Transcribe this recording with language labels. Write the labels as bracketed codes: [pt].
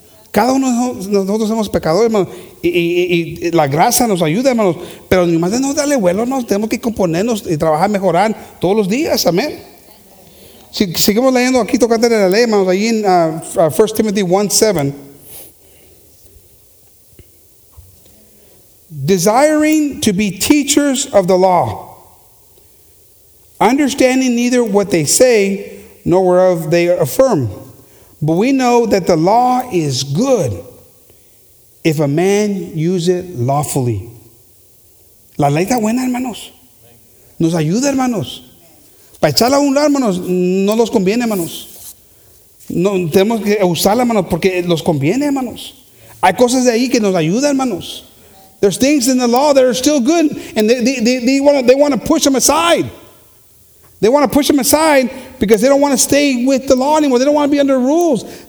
[es] Cada uno de nosotros somos pecadores, hermanos, y la gracia nos ayuda, hermanos, pero ni más de no darle vuelo, hermanos, tenemos que componernos y trabajar, mejorar todos los días, amén. Si seguimos leyendo aquí, tocando de la ley, hermanos, allí en 1 Timothy 1:7. [en] Desiring to be teachers of the law, understanding neither what they say nor whereof they affirm. But we know that the law is good if a man use it lawfully. [es] La ley está buena, hermanos. Nos ayuda, hermanos. Para echarla a un lado, hermanos, no los conviene, hermanos. No, tenemos que usarla, hermanos, porque los conviene, hermanos. Hay cosas de ahí que nos ayudan, hermanos. [en] There's things in the law that are still good, and they want to push them aside. They want to push them aside because they don't want to stay with the law anymore. They don't want to be under rules.